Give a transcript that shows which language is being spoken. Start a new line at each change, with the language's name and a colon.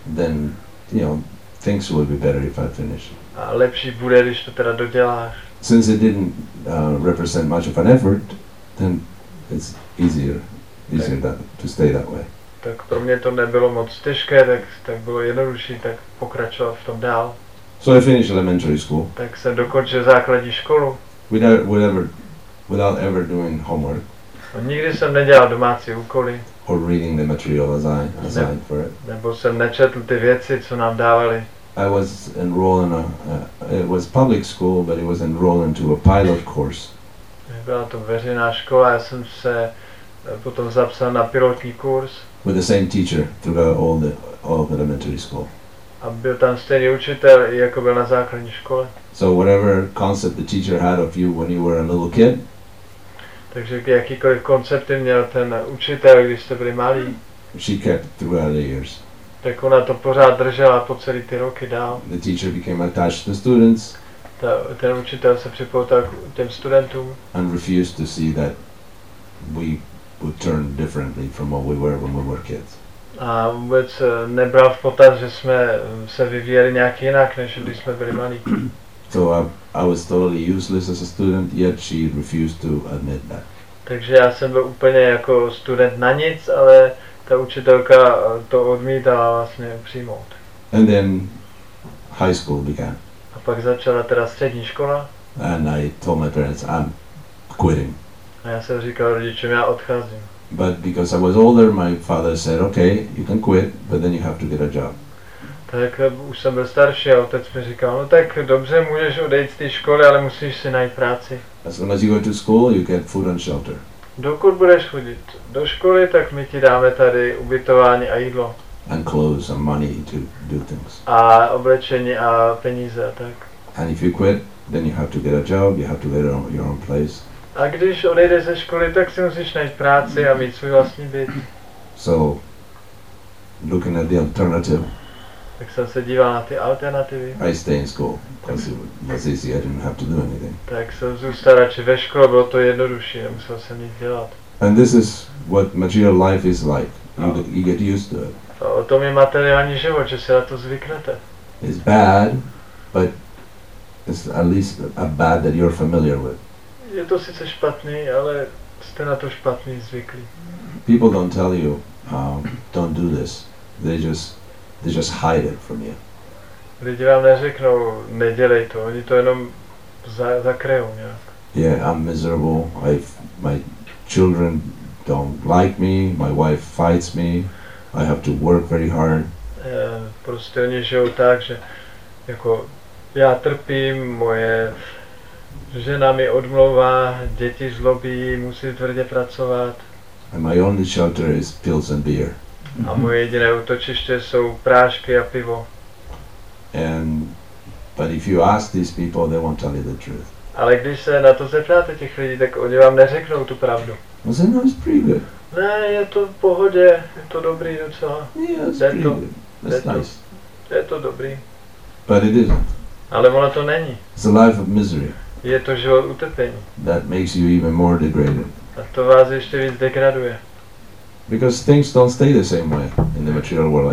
English: Then, you know, things would be better if I finish.
Czech: A lepší bude, když to teda doděláš.
English: Since it didn't represent much of an effort, then it's easier tak. To stay that way.
Czech: Tak pro mě to nebylo moc těžké, tak bylo jednodušší, tak pokračovat v tom dál.
English: So I finished elementary school.
Czech: Tak jsem dokončil základní školu.
English: Without ever doing homework.
Czech: A nikdy jsem nedělal domácí úkoly.
English: Or reading the material assigned for it.
Czech: Nebo jsem nečetl ty věci, co nám dávali.
English: I was enrolled in it was public school, but it was enrolled into a pilot course.
Czech: Byla to veřejná škola, já jsem se potom zapsal na pilotní kurz.
English: With the same teacher throughout all of elementary school.
Czech: A byl tam stejný učitel, jako byl na základní škole.
English: So whatever concept the teacher had of you when you were a little kid.
Czech: Takže jakýkoliv koncepty měl ten učitel, když jste byli malí.
English: She kept throughout the years.
Czech: Tak ona to pořád držela po celý ty roky dál.
English: The teacher became attached to the students.
Czech: Ten učitel se připoutal k těm studentům.
English: And refused to see that we would turn differently from what we were when we were kids.
Czech: A vůbec nebral v potaz, že jsme se vyvíjeli nějak jinak, než když jsme byli malí.
English: So I was totally useless as a student, yet she refused to admit that.
Czech: Takže já jsem byl úplně jako student na nic, ale ta učitelka to odmítala vlastně přijmout.
English: And then high school began.
Czech: A pak začala teda střední škola.
English: And I told my parents, I'm quitting.
Czech: A já jsem říkal rodičům, já odcházím.
English: But because I was older, my father said, okay, you can quit, but then you have to get a job.
Czech: Tak už jsem byl starší a otec mi říkal, no tak dobře, můžeš odejít z té školy, ale musíš si najít práci.
English: As long as you go to school, you get food and shelter.
Czech: Dokud budeš chodit do školy, tak my ti dáme tady ubytování a jídlo.
English: And clothes and money to do things.
Czech: A oblečení a peníze a tak.
English: And if you quit, then you have to get a job, you have to get your own place.
Czech: A když odejdeš ze školy, tak si musíš najít práci a mít svůj vlastní byt.
English: So, looking at the alternative.
Czech: Tak jsem se díval na ty alternativy.
English: I stay in school, because it was easy, I didn't have to do anything.
Czech: Tak jsem zůstal radši ve škole, bylo to jednodušší, nemusel jsem nic dělat.
English: And this is what material life is like. You get used to it.
Czech: A o tom je materiální život, že se na to zvyknete.
English: It's bad, but it's at least a bad that you're familiar with.
Czech: Je to sice špatný, ale jste na to špatný zvyklí.
English: People don't tell you, don't do this. They just hide it from you.
Czech: Lidi vám neřeknou, nedělej to. Oni to jenom zakryjou nějak.
English: Yeah, I'm miserable. My children don't like me. My wife fights me. I have to work very hard.
Czech: Prostě oni žijou tak, že jako já trpím, moje žena mi odmlouvá, děti zlobí, musí tvrdě pracovat.
English: And my only shelter is pills and beer.
Czech: A moje jediné útočiště jsou prášky a pivo.
English: But if you ask these people, they won't tell you the truth.
Czech: Ale když se na to zeptáte těch lidí, tak oni vám neřeknou tu pravdu.
English: I said, no, it's pretty good.
Czech: Ne, je to v pohodě, je to dobrý docela.
English: Yeah, it's pretty good. That's nice.
Czech: Je to dobrý.
English: But it isn't.
Czech: Ale ono to není.
English: It's a life of misery.
Czech: Je to život utrpení.
English: That makes you even more degraded.
Czech: A to vás ještě víc degraduje.
English: Because things don't stay the same way in the material world.